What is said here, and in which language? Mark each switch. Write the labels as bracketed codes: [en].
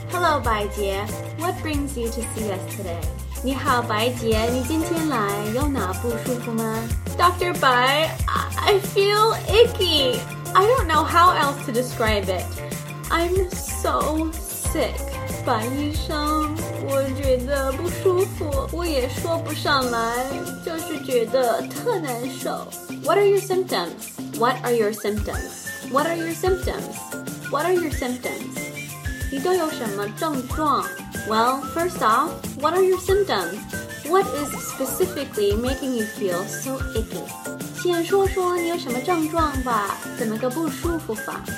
[en] Hello 白洁， What brings you to see us today? [zh] 你好白姐，你今天来有哪不舒服吗？ [en] Dr. 白， I feel icky. I don't know how else to describe it. I'm so sick. [zh] 白医生，我觉得不舒服，我也说不上来，就是觉得特难受。 [en] What are your symptoms? [zh] 你都有什么症状？ [en] Well, first off, what are your symptoms? What is specifically making you feel so icky? [zh] 先说说你有什么症状吧，怎么个不舒服法？